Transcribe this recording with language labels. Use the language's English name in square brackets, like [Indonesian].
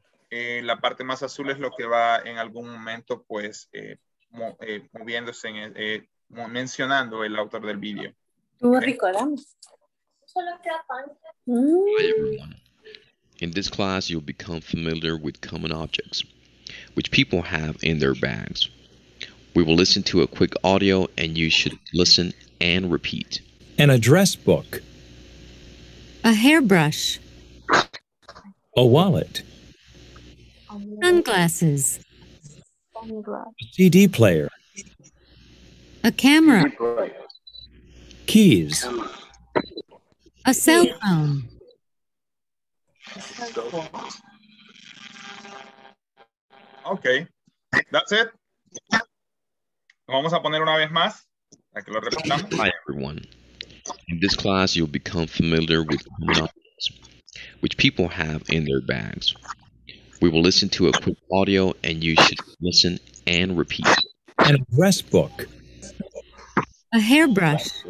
[Spanish] La parte más azul es lo que va en algún momento, pues, moviéndose, mencionando el autor del video. [English] Hi everyone. In this class, you'll become familiar with common objects, which people have in their bags. We will listen to a quick audio, and you should listen and repeat. An address book. A hairbrush. A wallet. Sunglasses. A CD player. A camera. Keys. A cell phone. Okay, that's it. [Spanish] Vamos a poner una vez más para que lo repitamos. [English] Hi everyone. In this class, you'll become familiar with common objects, which people have in their bags. We will listen to a quick audio and you should listen and repeat. An address book. A hairbrush.